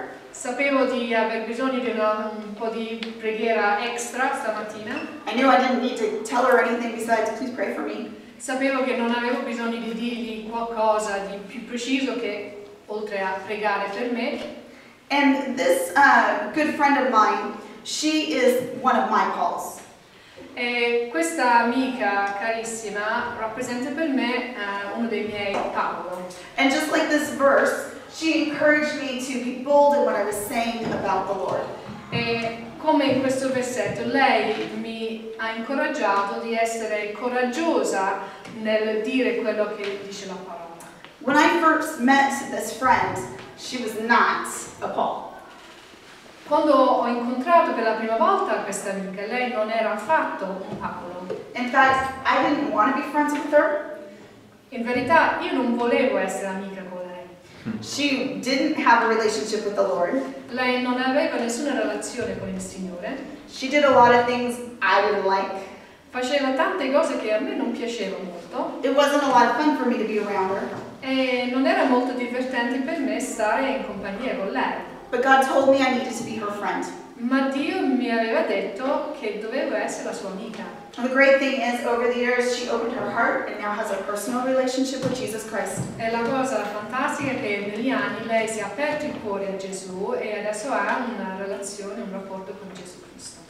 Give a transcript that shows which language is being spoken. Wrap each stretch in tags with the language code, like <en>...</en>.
<it>Sapevo di aver bisogno di un po' di preghiera extra stamattina.</it> <en>I knew I didn't need to tell her anything besides please pray for me.</en> <it>Sapevo che non avevo bisogno di dirgli qualcosa di più preciso che oltre a pregare per me.</it> <en>And this good friend of mine, she is one of my calls.</en> <it>E questa amica carissima rappresenta per me uno dei miei Paolo.</it> <en>And just like this verse, she encouraged me to be bold in what I was saying about the Lord.</en> <it>E come in questo versetto, lei mi ha incoraggiato di essere coraggiosa nel dire quello che dice la parola.</it> <en>When I first met this friend, she was not a Paul.</en> <it>Quando ho incontrato per la prima volta questa amica, lei non era affatto un Paolo.</it> <en>In fact, I didn't want to be friends with her.</en> <it>In verità, io non volevo essere amica con lei.</it> <en>She didn't have a relationship with the Lord.</en> <it>Lei non aveva nessuna relazione con il Signore.</it> <en>She did a lot of things I didn't like.</en> <it>Faceva tante cose che a me non piacevano molto.</it> <en>It wasn't a lot of fun for me to be around her.</en> <it>E non era molto divertente per me stare in compagnia con lei.</it> <en>But God told me I needed to be her friend.</en> <it>Ma Dio mi aveva detto che dovevo essere la sua amica.</it> <en>And the great thing is, over the years, she opened her heart and now has a personal relationship with Jesus Christ.</en> <it>E la cosa fantastica è che negli anni lei si è aperto il cuore a Gesù e adesso ha una relazione, un rapporto con Gesù Cristo.</it>